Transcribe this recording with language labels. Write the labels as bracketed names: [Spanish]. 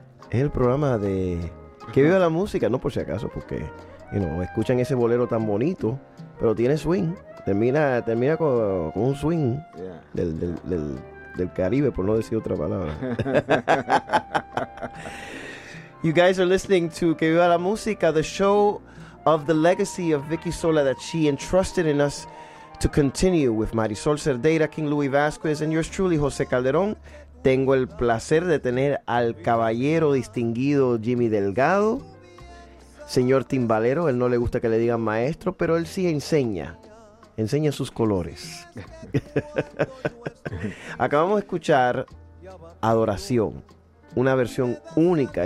[Spanish] Es el programa de Que Viva la Música, no por si acaso, porque [English] you know, [Spanish] escuchan ese bolero tan bonito, pero tiene swing. Termina con un swing del Caribe, por no decir otra palabra. [English] You guys are listening to Que Viva la Música, the show of the legacy of Vicky Sola that she entrusted in us to continue with Marisol Cerdeira, King Louis Vasquez, and yours truly, José Calderón. [Spanish] Tengo el placer de tener al caballero distinguido Jimmy Delgado, señor timbalero. Él no le gusta que le digan maestro, pero él sí enseña sus colores. Acabamos de escuchar Adoración, una versión única.